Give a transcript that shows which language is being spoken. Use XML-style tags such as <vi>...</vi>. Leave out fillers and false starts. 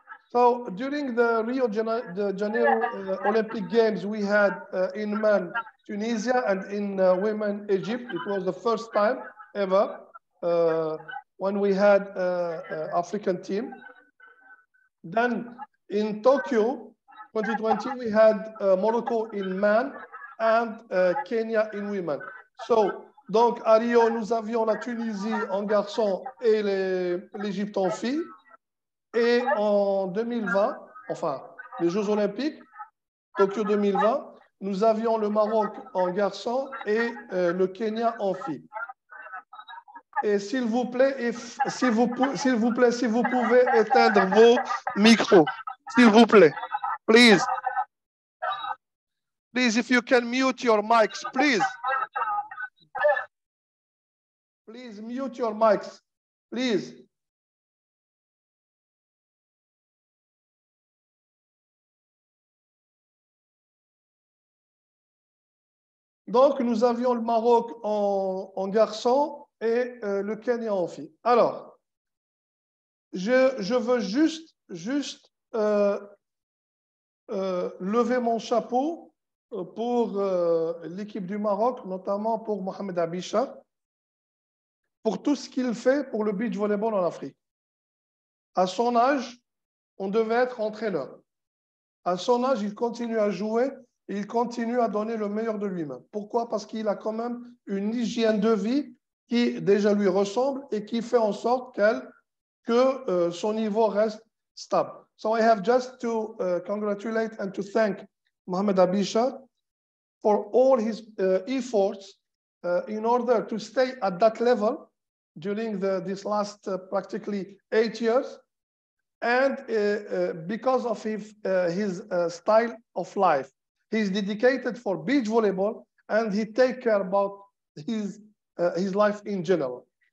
<en>So during the Rio de Janeiro Olympic Games we had in men Tunisia and in women Egypt. It was the first time ever when we had African team. Then in Tokyo 2020 we had Morocco in men and Kenya in women.</en> <fr>So donc à Rio nous avions la Tunisie en garçon et l'Égypte en filles. Et en 2020, enfin les Jeux Olympiques Tokyo 2020, nous avions le Maroc en garçon et le Kenya en filles. Et s'il vous plaît, si vous pouvez éteindre vos micros, s'il vous plaît.</fr> <en>Please. Please, if you can mute your mics, please. Please mute your mics. Please.</en> <fr>Donc, nous avions le Maroc en garçon et le Kenya en fille. Alors, je veux juste lever mon chapeau pour l'équipe du Maroc, notamment pour Mohamed Abicha, pour tout ce qu'il fait pour le beach volleyball en Afrique. À son âge, on devait être entraîneur. À son âge, il continue à jouer. Il continue à donner le meilleur de lui-même. Pourquoi ? Parce qu'il a quand même une hygiène de vie qui déjà lui ressemble et qui fait en sorte que son niveau reste stable.</fr> <en>So I have just to congratulate and to thank Mohamed Abicha for all his efforts in order to stay at that level during this last practically 8 years. And because of his style of life, he's dedicated for beach volleyball and he takes care about his life in general.</en>